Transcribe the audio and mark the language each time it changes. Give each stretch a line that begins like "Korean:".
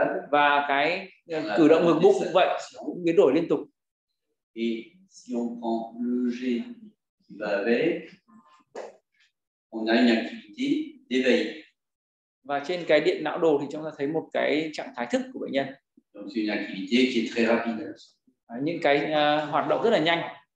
Vietnamese: Và cái cử động ngực bụng cũng vậy, biến đổi liên tục.
French: Et si on prend le G qui va avec, on a une activité d'éveil.
Vietnamese: Và trên cái điện não đồ thì chúng ta thấy một cái trạng thái thức của bệnh nhân.
French: Donc c'est une activité qui est très rapide.
Vietnamese: Những cái hoạt động rất là nhanh.